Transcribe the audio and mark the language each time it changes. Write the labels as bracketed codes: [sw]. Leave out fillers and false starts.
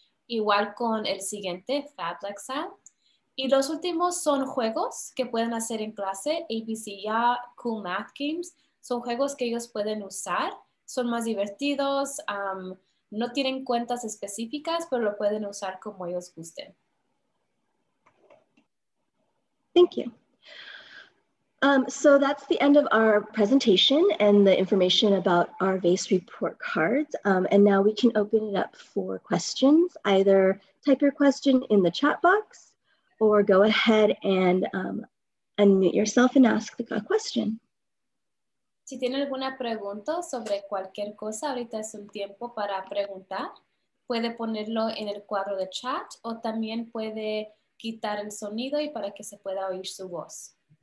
[es] Igual con el siguiente, Fab Lexile. Y los últimos son juegos que pueden hacer en clase, ABCYA, Cool Math Games. Son juegos que ellos pueden usar. Son más divertidos, no tienen cuentas específicas, pero lo pueden usar como ellos gusten. [en] Thank you. So that's the end of our presentation and the information about our VACE report cards. And now we can open it up for questions. Either type your question in the chat box or go ahead and unmute yourself and ask the question. [es] Si tiene alguna pregunta sobre cualquier cosa, ahorita es un tiempo para preguntar. Puede ponerlo en el cuadro de chat o también puede quitar el sonido y para que se pueda oír su voz.